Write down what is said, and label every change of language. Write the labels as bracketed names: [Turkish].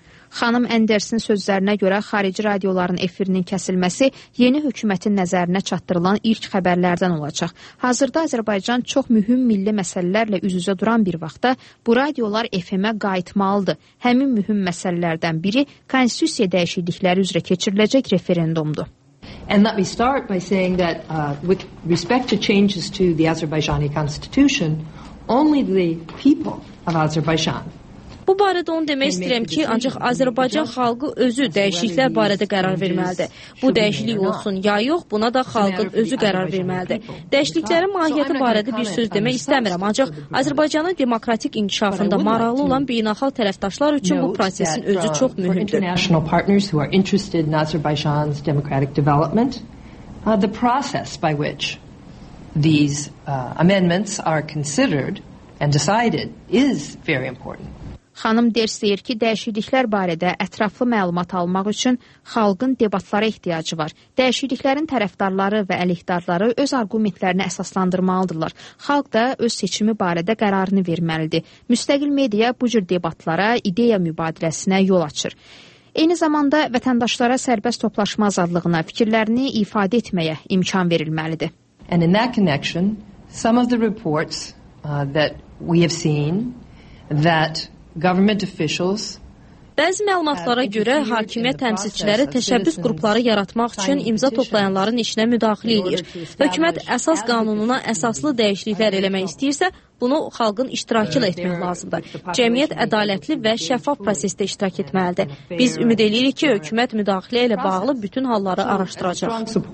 [Azerbaijani] Xanım Andersin sözlərinə görə xarici radioların efirinin kəsilməsi yeni hökumətin nəzərinə çatdırılan ilk xəbərlərdən olacaq. Hazırda Azərbaycan çox mühüm milli məsələlərlə üz-üzə duran bir vaxtda bu radiolar FM-ə qayıtmalıdır. Həmin mühüm məsələlərdən biri konstitusiya dəyişiklikləri üzrə keçiriləcək referendumdur. [English] And let me start by saying that with respect to changes to the Azerbaijani constitution, only the people of Azerbaijan. [Azerbaijani] Bu barədə onu demək istəyirəm ki, ancaq Azərbaycan xalqı özü dəyişikliklər barədə qərar verməlidir. Bu dəyişiklik olsun ya yox, buna da xalqın özü qərar verməlidir. Dəyişikliklərin mahiyyəti barədə bir söz demək istəmirəm, ancaq Azərbaycanın demokratik inkişafında maraqlı olan beynəlxalq tərəfdaşlar üçün bu prosesin özü çox mühümdür. [English] The process by which these amendments are considered and decided is very important. [Azerbaijani] Xanım Ders deyir ki, dəyişikliklər barədə ətraflı məlumat almaq üçün xalqın debatlara ehtiyacı var. Dəyişikliklərin tərəfdarları və əleyhdarları öz arqumentlərini əsaslandırmalıdırlar. Xalq da öz seçimi barədə qərarını verməlidir. Müstəqil media bu cür debatlara, ideya mübadiləsinə yol açır. Eyni zamanda vətəndaşlara sərbəst toplaşma azadlığına fikirlərini ifadə etməyə imkan verilməlidir. [English] And in that connection, some of the reports that we have seen that government officials [Azerbaijani] bəzi məlumatlara görə hakimiyyət təmsilçiləri təşəbbüs qrupları yaratmaq üçün imza toplayanların işinə müdaxilə edir. Hökumət əsas qanununa əsaslı dəyişikliklər eləmək istəyirsə, bunu xalqın iştirakı ilə etmək lazımdır. Cəmiyyət ədalətli və şəffaf prosesdə iştirak etməlidir. Biz ümid edirik ki, hökumət müdaxilə ilə bağlı bütün halları araşdıracaq.